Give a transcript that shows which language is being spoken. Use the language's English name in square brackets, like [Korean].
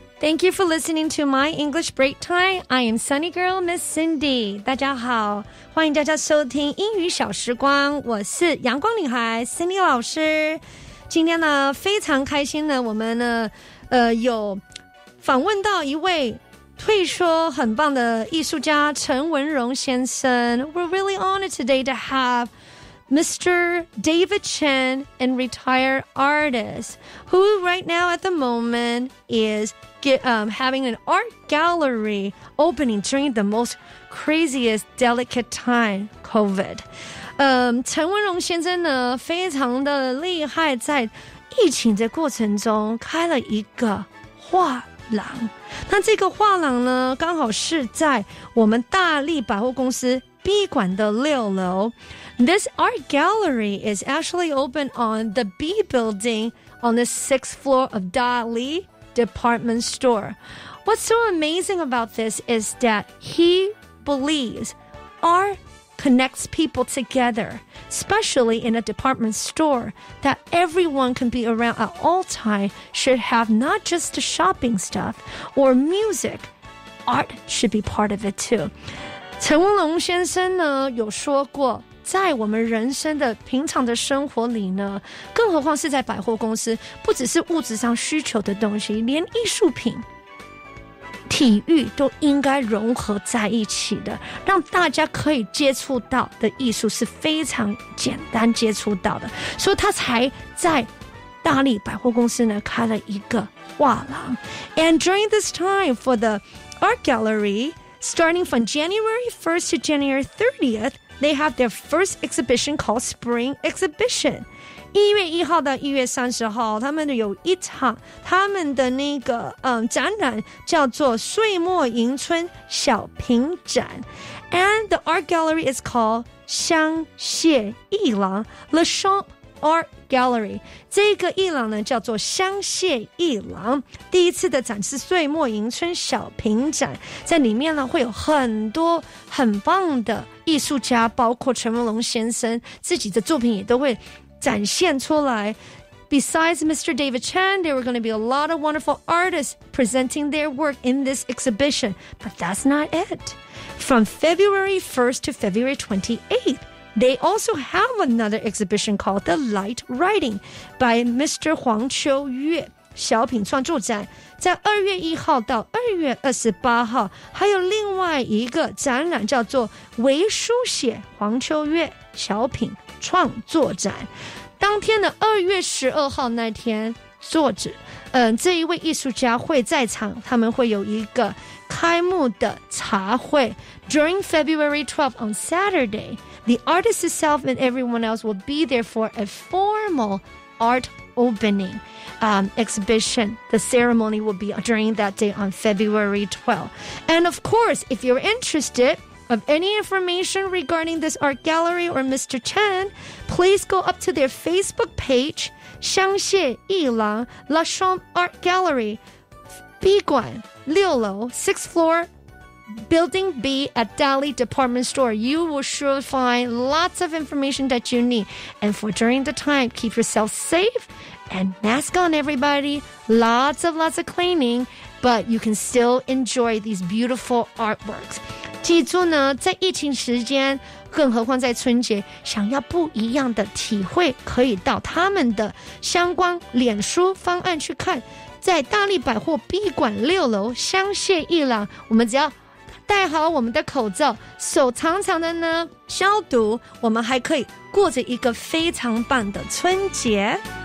[English] Thank you for listening to My English Break Time. I am Sunny Girl Miss Cindy. [Chinese] 大家好，欢迎大家收听英语小时光，我是阳光女孩 Cindy 老师。今天呢非常开心呢，我们呢有访问到一位退休很棒的艺术家陈文荣先生。 [English] We're really honored today to haveMr. David Chen, a retired artist, who right now at the moment is having an art gallery opening during the most craziest, delicate time, COVID. [Chinese] 陈文荣先生呢，非常的厉害，在疫情的过程中开了一个画廊。那这个画廊呢，刚好是在我们大力百货公司 B 馆的六楼。 [English] This art gallery is actually open on the B building on the sixth floor of Dali Department Store. What's so amazing about this is that he believes art connects people together, especially in a department store, that everyone can be around at all times, should have not just the shopping stuff or music, art should be part of it too. [Chinese] 陈文龙先生呢有说过，在我们人生的平常的生活里呢，更何况是在百货公司，不只是物质上需求的东西，连艺术品、体育都应该融合在一起的，让大家可以接触到的艺术是非常简单接触到的，所以他才在大力百货公司呢开了一个画廊。 [English] And during this time for the art gallery, starting from January 1st to January 30th,They have their first exhibition called Spring Exhibition. [Chinese] 1月1号到1月30号他们有一场他们的那个展览叫做岁末迎春小品展。 [English] And the art gallery is called 香榭艺廊 Le Champ Art Gallery。 [Chinese] 这个艺廊呢叫做香榭艺廊，第一次的展示岁末迎春小品展，在里面呢会有很多很棒的艺术家，包括陈文龙先生自己的作品也都会展现出来。 [English] Besides Mr. David Chan, there were going to be a lot of wonderful artists presenting their work in this exhibition. But that's not it. From February 1st to February 28th, they also have another exhibition called The Light Writing by Mr. [Chinese] 黄秋月小品创作展，在2月1号到2月28号还有另外一个展览叫做微书写黄秋月小品创作展。当天的2月12号那天，作者这一位艺术家会在场，他们会有一个开幕的茶会。 [English] During February 12th on Saturday, the artist itself and everyone else will be there for a formal art openingexhibition. The ceremony will be during that day on February 12th. And of course, if you're interested of any information regarding this art gallery or Mr. Chen, please go up to their Facebook page, 香榭艺廊 La Chambre Art Gallery, [Chinese] B 馆六楼 [English] 6th floor, Building B at Dali Department Store. You will sure find lots of information that you need. And for during the time, keep yourself safe. And mask on, everybody. Lots of cleaning, but you can still enjoy these beautiful artworks. [Chinese] 记住呢，在疫情时间，更何况在春节，想要不一样的体会，可以到他们的相关脸书方案去看。在大力百货 B 馆六楼香榭艺廊，我们只要戴好我们的口罩，手长长的呢消毒，我们还可以过着一个非常棒的春节。